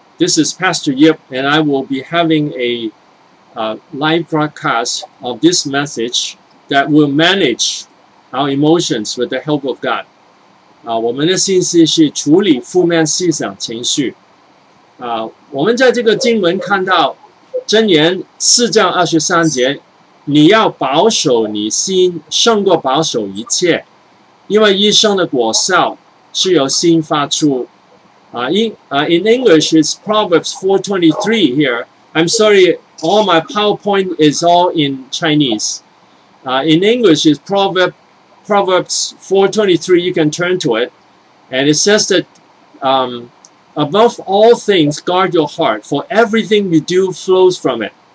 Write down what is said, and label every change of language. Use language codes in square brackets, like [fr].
[en] This is Pastor Yip, and I will be having a live broadcast of this message that will manage our emotions with the help of God. [zh] 我们的信息是处理负面思想情绪。我们在这个经文看到箴言四章二十三节，你要保守你心，胜过保守一切，因为一生的果效是由心发出。 [en] In English, it's Proverbs 4:23 here. I'm sorry, all my PowerPoint is all in Chinese. In English, it's Proverbs 4:23. You can turn to it. And it says that, above all things, guard your heart, for everything you do flows from it.